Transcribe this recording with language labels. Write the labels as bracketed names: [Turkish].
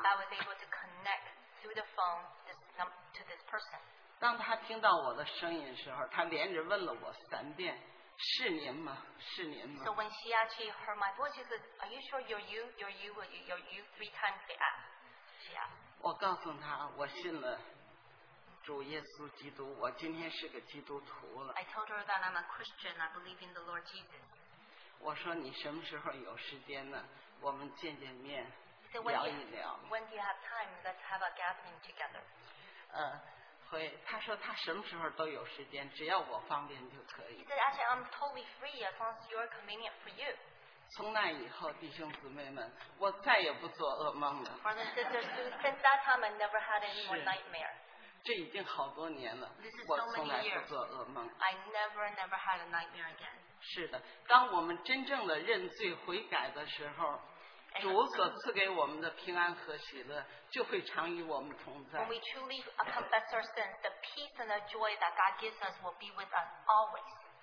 [English] Then finally, I was able to connect through the phone to this person. [Chinese] 当他听到我的声音的时候, 他连着问了我三遍, 是您吗? 是您吗? [English] So when she actually heard my voice, she said, are you sure you're you? You're you? You're you? 3 times they asked. She asked. [Chinese] 我告诉他, 我信了主耶稣基督, 我今天是个基督徒了。 [English] I told her that I'm a Christian, I believe in the Lord Jesus. [Chinese] 我说你什么时候有时间呢? 我们见见面, [English] so when [Chinese] 聊一聊。 [English] When do you have time? Let's have a gathering together. [Chinese] 他说他什么时候都有时间, 只要我方便就可以。 [English] He said, actually, I'm totally free as long as you're convenient for you. [Chinese] 从那以后, 弟兄姊妹们, 我再也不做噩梦了。 [English] Brothers and sisters, since that time, I never had any more nightmare. [Chinese] 这已经好多年了, 我从来不做噩梦。 [English] This is so many years. [Chinese] 做噩梦。 [English] I never had a nightmare again. [Chinese] 是的，当我们真正的认罪悔改的时候。主所赐给我们的平安和喜乐就会常与我们同在。 [English] When we truly confess our sins, the peace and the joy that God gives us will be with us always.